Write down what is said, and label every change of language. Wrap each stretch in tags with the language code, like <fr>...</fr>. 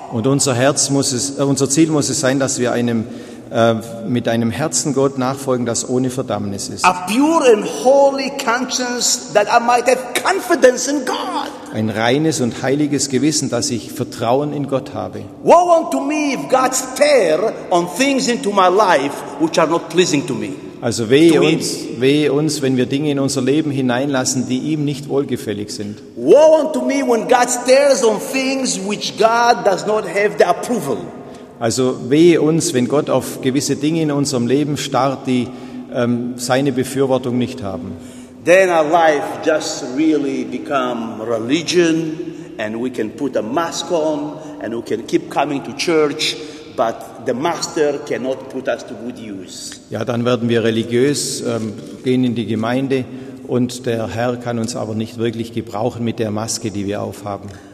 <de>Und unser Ziel muss es sein, dass wir mit einem Herzen Gott nachfolgen, das ohne Verdammnis ist.</de> <en>A pure and holy conscience that I might have confidence in God.</en> <de>Ein reines und heiliges Gewissen, dass ich Vertrauen in Gott habe.</de> <en>Woe unto me if God stir on things into my life which are not pleasing to me.</en> <de>Also wehe uns, wenn wir Dinge in unser Leben hineinlassen, die ihm nicht wohlgefällig sind.</de> <en>Woe unto me when God stares on things which God does not have the approval.</en> <de>Also wehe uns, wenn Gott auf gewisse Dinge in unserem Leben starrt, die seine Befürwortung nicht haben.</de> <en>Then our life just really become religion and we can put a mask on and we can keep coming to church. But the master cannot put us to good use.</en> <de>Ja, dann werden wir religiös, gehen in die Gemeinde und der Herr kann uns aber nicht wirklich gebrauchen mit der Maske, die wir aufhaben.</de>